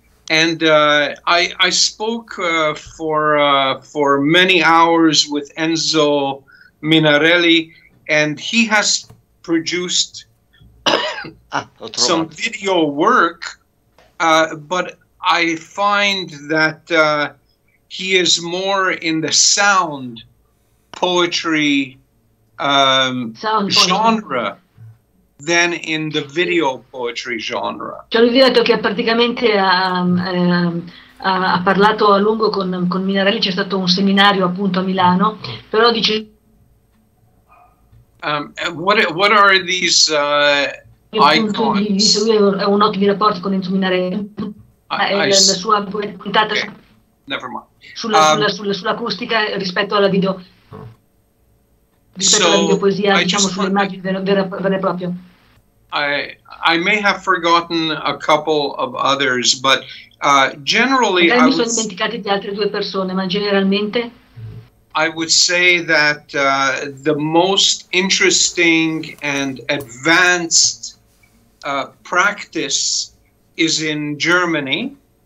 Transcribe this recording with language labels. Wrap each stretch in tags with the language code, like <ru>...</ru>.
<en>And I spoke for many hours with Enzo Minarelli, and he has produced some video work, but I find that he is more in the sound poetry genre than in the video poetry genre.</en> <it>Cioè lui ha detto che praticamente ha parlato a lungo con Minarelli, c'è stato un seminario appunto a Milano, però dice</it> <en>What are these icons?</en> <it>Lui ha un ottimo rapporto con Enzo Minarelli. La sua puntata sull'acustica rispetto alla video rispetto alla videopoesia, diciamo sulle immagini vere e proprie.</it> <en>I may have forgotten a couple of others, but generally</en> <it>I mi sono dimenticati di altre due persone, ma generalmente</it> <en>I would say that the most interesting and advanced practice is in Germany.</en>